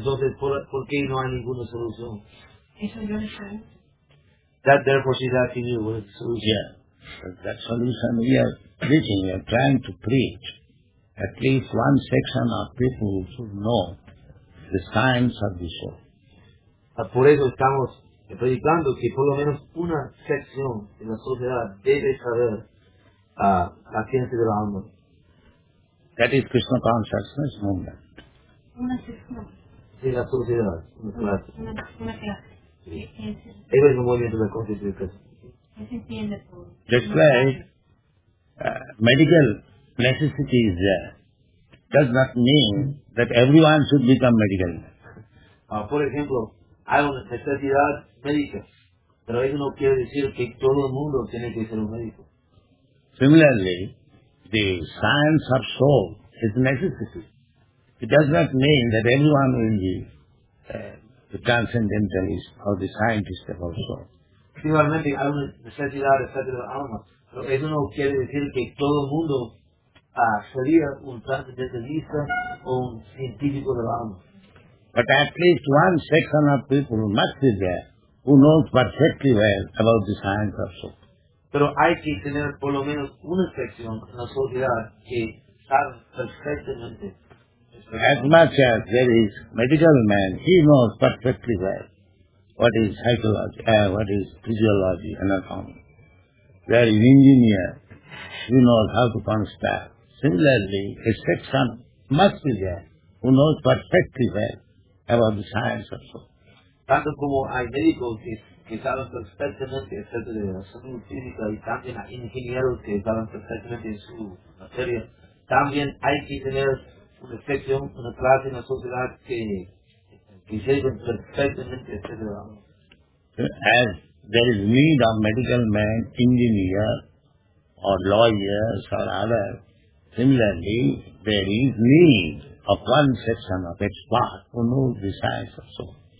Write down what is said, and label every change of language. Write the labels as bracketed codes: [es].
[es] Entonces, ¿por qué no hay ninguna solución? Eso yo entiendo. [en] That therefore she's asking you what is the solution. Yeah. But that solution we are preaching, we are trying to preach. At least one section of people should know the science of the soul. [es] Por eso estamos predicando que por lo menos una sección de la sociedad debe saber la ciencia del alma. [en] That is Krishna consciousness movement. [es] Una sección. De la sociedad. Una clase. Sí. Eso es un movimiento de conciencia de Krishna. Se entiende por... [en] Just like medical necessity is there, does not mean that everyone should become medical. [es] Por ejemplo, hay una necesidad médica, pero eso no quiere decir que todo el mundo tiene que ser un médico. [en] Similarly, the science of soul is necessary. It does not mean that anyone will be the transcendentalist or the scientist of soul. [es] principalmente hay una necesidad, etcétera, alma. Pero eso no quiere decir que todo el mundo sería un transcendentalista o un científico del alma. [en] But at least one section of people must be there who knows perfectly well about the science of soul. [es] Pero hay que tener por lo menos una sección en la sociedad que sabe perfectamente. [en] As much as there is medical man, he knows perfectly well what is psychology, what is physiology, anatomy. There is engineer, he knows how to construct. Similarly, a section must be there who knows perfectly well about the science of soul. [es] Tanto como hay médicos que saben perfectamente acerca de la salud física y también hay ingenieros que saben perfectamente su materia, también hay que tener una sección, una clase en la sociedad que sepan perfectamente acerca de la salud. [en] As there is need of medical man, engineer, or lawyers, or other, similarly, there is need of one section of expert who knows the science of soul.